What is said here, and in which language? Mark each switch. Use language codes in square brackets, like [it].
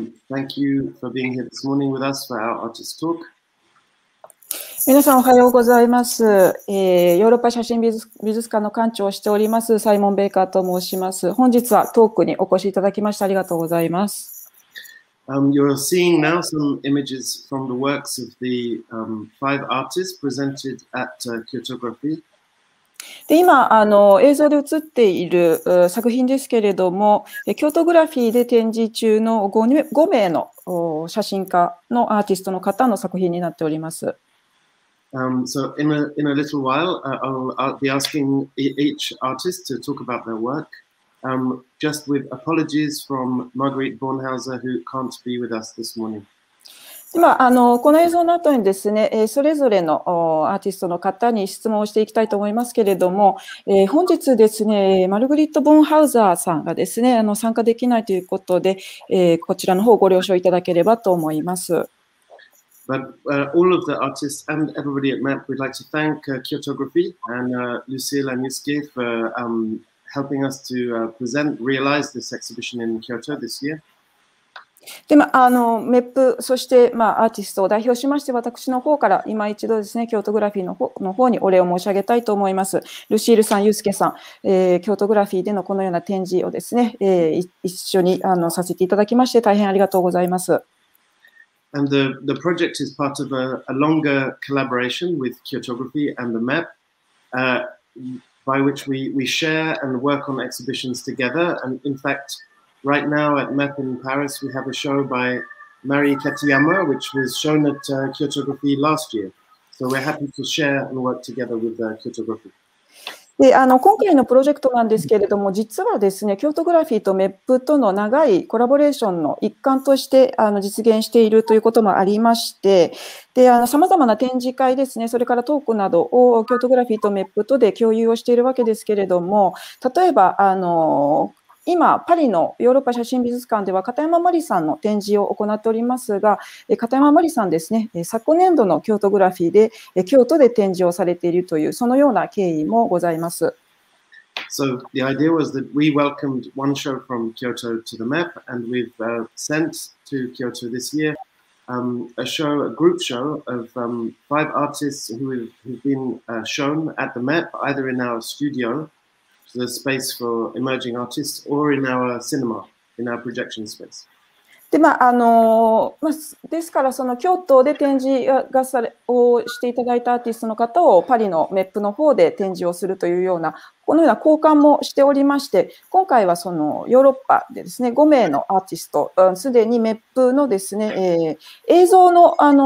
[en] Thank you for being here this morning with us for our artist talk. [ja] 皆さんおはようございます。ヨーロッパ写真美術館の館長をしております、サイモン・ベイカーと申します。本日はトークにお越しいただきましてありがとうございます。 [en] You're seeing now some images from the works of the five artists presented at Cartography. [ja] で今映像で映っている作品ですけれども、京都グラフィーで展示中の 5名の写真家のアーティストの方の作品になっております。 [en] So in a little while, I'll be asking each artist to talk about their work. Just with apologies from Marguerite Bornhauser, who can't be with us this morning. [ja] 今この映像の後にですね、それぞれのアーティストの方に質問をしていきたいと思いますけれども、本日ですね、マルグリット・ボンハウザーさんがですね、参加できないということで、こちらの方をご了承いただければと思います。 [en] But, all of the artists and everybody at MEP, we'd like to thank Cartography and Lucille and Yusuke for helping us to present, realize this exhibition in Kyoto this year. [ja] で、まあ、メップ、そして、まあ、アーティストを代表しまして、私の方から今一度ですね、京都グラフィーの方にお礼を申し上げたいと思います。ルシールさん、ユースケさん、京都グラフィーでのこのような展示をですね、一緒にさせていただきまして、大変ありがとうございます。 [en] And the project is part of a longer collaboration with Kyotography and the MEP, by which we share and work on exhibitions together. And in fact, right now at MEP in Paris, we have a show by Marie Katayama, which was shown at Kyotography last year. So we're happy to share and work together with Kyotography. [ja] で今回のプロジェクトなんですけれども、実はですね、京都グラフィーとMEPとの長いコラボレーションの一環として実現しているということもありまして、で、様々な展示会ですね、それからトークなどを京都グラフィーとMEPとで共有をしているわけですけれども、例えば、今パリのヨーロッパ写真美術館では片山麻里さんの展示を行っておりますが、片山麻里さんですね、昨年度の京都グラフィーで京都で展示をされているというそのような経緯もございます。 [en] So the idea was that we welcomed one show from Kyoto to the MEP, and we've sent to Kyoto this year a show, a group show of five artists who have been shown at the MEP, either in our studio. The space for emerging artists or in our cinema, in our projection space. [ja] で、まあ、ですから、その京都で展示がされをしていただいたアーティストの方をパリのMEPの方で展示をするというような、このような交換もしておりまして、今回はそのヨーロッパでですね、5名のアーティスト、すでにMEPのですね、映像の、